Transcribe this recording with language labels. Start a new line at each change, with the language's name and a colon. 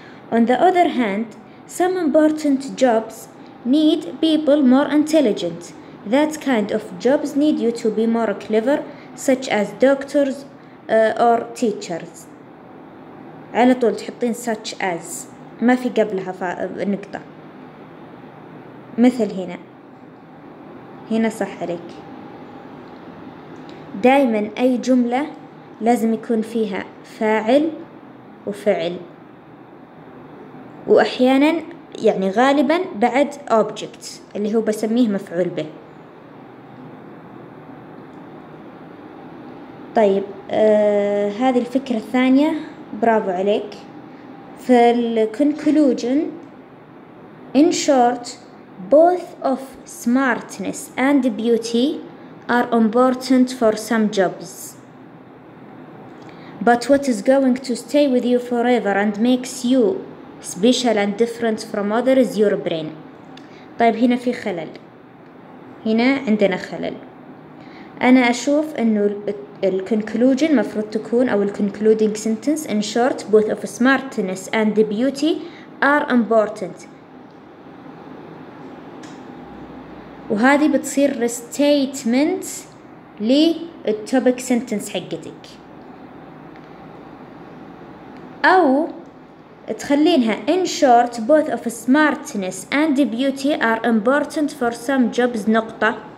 English: On the other hand some important jobs need people more intelligent that kind of jobs need you to be more clever such as doctors or teachers.
Arabic: على طول تحطين such as، ما في قبلها نقطة. مثل هنا، هنا صح عليك. دائما أي جملة لازم يكون فيها فاعل وفعل، وأحيانا يعني غالبا بعد object اللي هو بسميه مفعول به. طيب هذه الفكرة الثانية، برافو عليك.
English: فالconclusion in short both of smartness and beauty are important for some jobs but what is going to stay with you forever and makes you special and different from others is your brain.
Arabic: طيب هنا في خلل، هنا عندنا خلل. انا اشوف انه الconclusion مفروض تكون او
English: الconcluding sentence in short both of smartness and beauty are important،
Arabic: وهذه بتصير
English: restatement للtopic sentence
Arabic: حقتك، او تخلينها
English: in short both of smartness and beauty are important for some jobs نقطة.